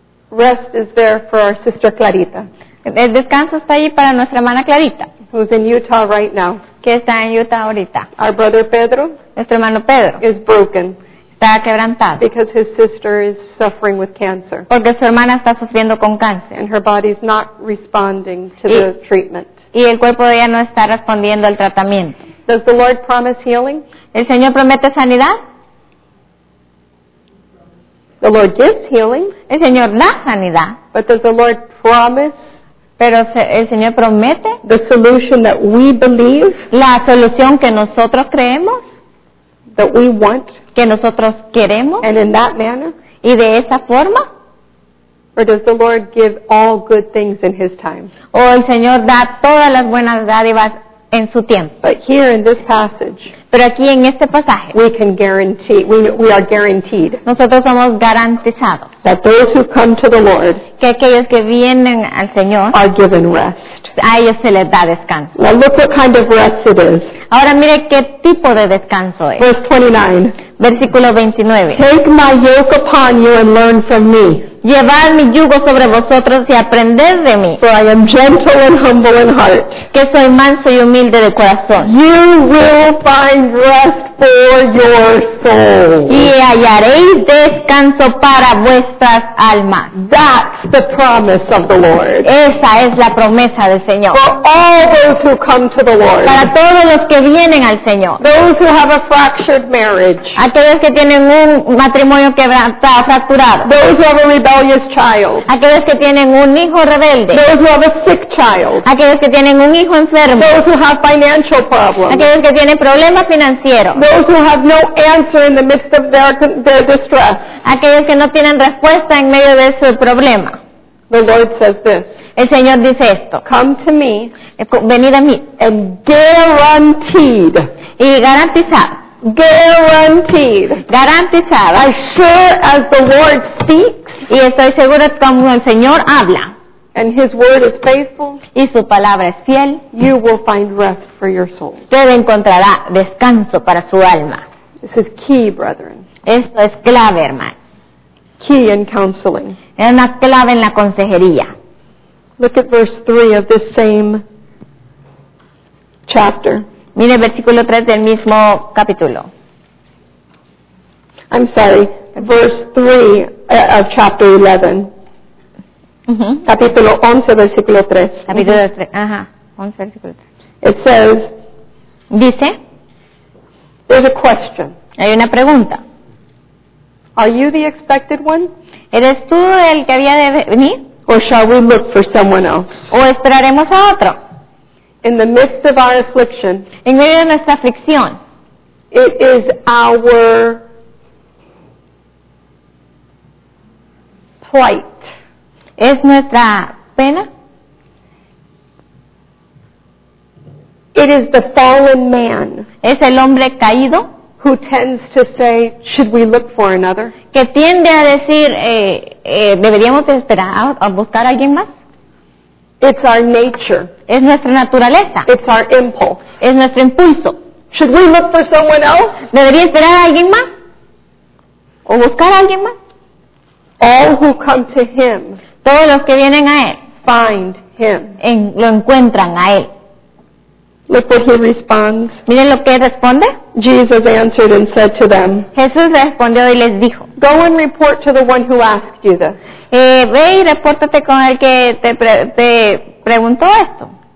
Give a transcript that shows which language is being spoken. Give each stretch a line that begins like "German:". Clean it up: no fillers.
English: Rest is there for our sister Clarita.
Spanish: El descanso está ahí para nuestra hermana Clarita.
English: Who's in Utah right now.
Spanish: Que está en Utah ahorita.
English: Our brother Pedro.
Spanish: Nuestro hermano Pedro.
English: Is broken.
Spanish: Está quebrantado.
English: Because his sister is suffering with cancer.
Spanish: Porque su hermana está sufriendo con cáncer.
English: And her body's not responding to the treatment.
Spanish: Y el cuerpo de ella no está respondiendo al tratamiento.
English: Does the Lord promise healing?
Spanish: ¿El Señor promete sanidad?
English: The Lord gives healing.
Spanish: El Señor da sanidad.
English: But does the Lord promise?
Spanish: Pero el Señor promete.
English: The solution that we believe.
Spanish: La solución que nosotros creemos.
English: That we want.
Spanish: Que nosotros queremos.
English: And in that manner.
Spanish: Y de esa forma.
English: Or does the Lord give all good things in His time?
Spanish: O el Señor da todas las buenas dádivas en su tiempo.
English: But here in this passage.
Spanish: Pero aquí en este pasaje,
English: we can guarantee, we are guaranteed.
Spanish: Nosotros somos garantizados.
English: That those who come to the Lord.
Spanish: Que aquellos que vienen al Señor.
English: Are given rest.
Spanish: A ellos se les da descanso.
English: Now look what kind of rest it is.
Spanish: Ahora mire qué tipo de descanso es.
English: Verse 29.
Spanish: Versículo 29.
English: Take my yoke upon you and learn from me.
Spanish: Llevad mi yugo sobre vosotros y aprended de mí.
English: For I am gentle and humble in heart.
Spanish: Que soy manso y humilde de corazón.
English: You will find rest for your soul.
Spanish: Y hallaréis descanso para vuestras almas.
English: That's the promise of the Lord.
Spanish: Esa es la promesa del Señor.
English: For all those who come to the Lord.
Spanish: Para todos los que vienen al Señor.
English: Those who have a fractured marriage.
Spanish: Aquellos que tienen un matrimonio quebrantado, fracturado.
English: Those who have a rebellious child.
Spanish: Aquellos que tienen un hijo rebelde.
English: Those who have a sick child.
Spanish: Aquellos que tienen un hijo enfermo.
English: Those who have financial problems.
Spanish: Aquellos que tienen problemas financieros.
English: Those who have no answer in the midst of their distress.
Spanish: Aquellos que no tienen respuesta en medio de su problema.
English: The Lord says this.
Spanish: El Señor dice esto.
English: Come to me.
Spanish: Venid a mí.
English: And guaranteed.
Spanish: Y garantizado.
English: Guaranteed.
Spanish: Garantizado.
English: As sure as the Lord speaks.
Spanish: Y estoy segura como el Señor habla.
English: And His word is faithful.
Spanish: Y su palabra es fiel.
English: You will find rest for your soul.
Spanish: Usted encontrará descanso para su alma.
English: This is key, brethren.
Spanish: Esto es clave, hermano.
English: Key in counseling.
Spanish: Es una clave en la consejería.
English: Look at verse 3 of this same chapter.
Spanish: Mire el versículo 3 del mismo capítulo.
English: I'm sorry. Verse 3 of chapter 11. Uh-huh.
Spanish: Capítulo 11, versículo 3. Capítulo 3. Ajá. 11, versículo 3.
English: It says,
Spanish: dice,
English: there's a question.
Spanish: Hay una pregunta.
English: Are you the expected one?
Spanish: ¿Eres tú el que había de venir?
English: Or shall we look for someone else?
Spanish: ¿O esperaremos a otro?
English: In the midst of our affliction,
Spanish: en medio de nuestra aflicción,
English: it is our plight.
Spanish: Es nuestra pena.
English: It is the fallen man.
Spanish: Es el hombre caído.
English: Who tends to say, should we look for another?
Spanish: Que tiende a decir, deberíamos esperar a buscar a alguien más.
English: It's our nature.
Spanish: Es nuestra naturaleza.
English: It's our impulse.
Spanish: Es nuestro impulso.
English: Should we look for someone else?
Spanish: ¿Debería esperar a alguien más? ¿O buscar a alguien más?
English: All who come to him.
Spanish: Todos los que vienen a él.
English: Find him.
Spanish: Lo encuentran a él.
English: Look what he responds.
Spanish: Miren lo que responde.
English: Jesus answered and said to them.
Spanish: Jesús respondió y les dijo.
English: Go and report to the one who asked you this.
Spanish: Ve y repórtate con el que te preguntó esto.